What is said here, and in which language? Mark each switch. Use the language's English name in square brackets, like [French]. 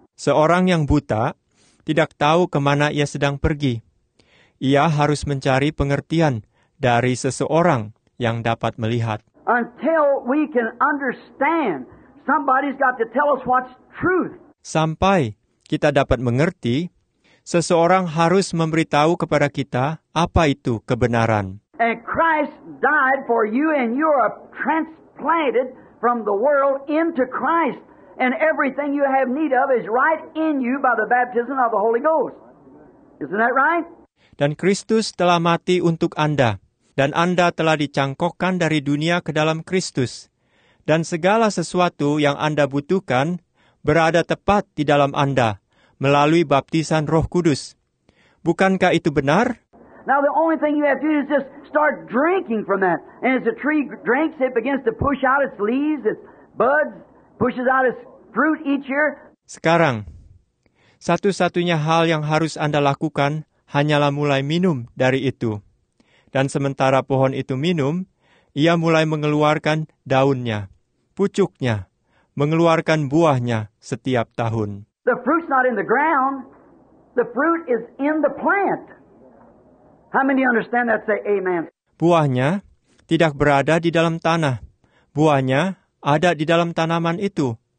[Indonesian] Seorang yang buta tidak tahu kemana ia sedang pergi. Ia harus mencari pengertian dari seseorang yang dapat melihat. [English] Until we can understand, somebody's got to tell us what's truth. [Indonesian] Sampai kita dapat mengerti, seseorang harus memberitahu kepada kita apa itu kebenaran. [English] And Christ died for you, and you are transplanted from the world into Christ. And everything you have need of is right in you by the baptism of the Holy Ghost. Isn't that right? [Indonesian] Dan Kristus telah mati untuk Anda, dan Anda telah dicangkokkan dari dunia ke dalam Kristus. Dan segala sesuatu yang Anda butuhkan berada tepat di dalam Anda melalui baptisan Roh Kudus. Bukankah itu benar? [English] Now the only thing you have to do is just start drinking from that. And as the tree drinks, it begins to push out its leaves, its buds, pushes out its fruit each year. [Indonesian] Sekarang, satu-satunya hal yang harus Anda lakukan hanyalah mulai minum dari itu. Dan sementara pohon itu minum, ia mulai mengeluarkan daunnya, pucuknya, mengeluarkan buahnya setiap tahun. [English] The fruit's not in the ground. The fruit is in the plant. How many understand that? Say amen. [Indonesian] Buahnya tidak berada di dalam tanah. Buahnya ada di dalam tanaman itu.